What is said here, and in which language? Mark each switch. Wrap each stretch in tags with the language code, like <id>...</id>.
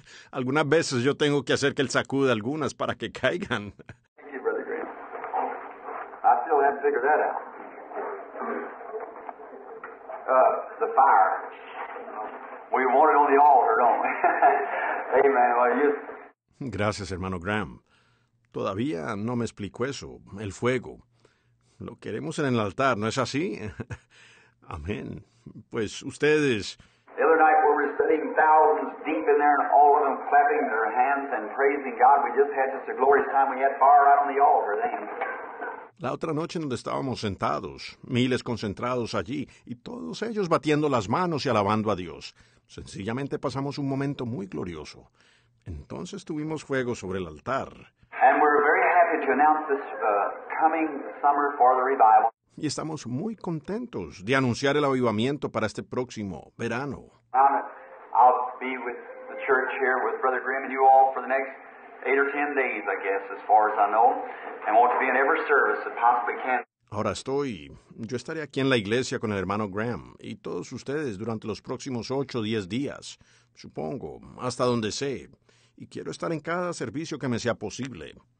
<es>Algunas veces yo tengo que hacer que él sacude algunas para que caigan.</es> <en>Thank you, Brother Graham. I still haven't figured that out. The fire. We want it on the altar, don't we? Amen. Well, you.</en> <es>Gracias, hermano Graham. Todavía no me explico eso, el fuego. Lo queremos en el altar, ¿no es así? Amén. Pues ustedes.</es> <en>The other night we were sitting thousands deep in there and all of them clapping their hands and praising God. We just had just a glorious time. We had fire right on the altar then.</en> <es>La otra noche donde estábamos sentados, miles concentrados allí, y todos ellos batiendo las manos y alabando a Dios. Sencillamente pasamos un momento muy glorioso. Entonces tuvimos fuego sobre el altar.</es> <en>And we're very happy to announce this coming summer for the revival.</en> <es>Y estamos muy contentos de anunciar el avivamiento para este próximo verano.</es> <en>I'll be with the church here with Brother Graham and you all for the next 8 or 10 days, I guess, as far as I know, and want to be in every service that possibly can.</en> <es>Ahora estoy. Yo estaré aquí en la iglesia con el hermano Graham y todos ustedes durante los próximos 8 o 10 días, supongo, hasta donde sé. Y quiero estar en cada servicio que me sea posible.</es>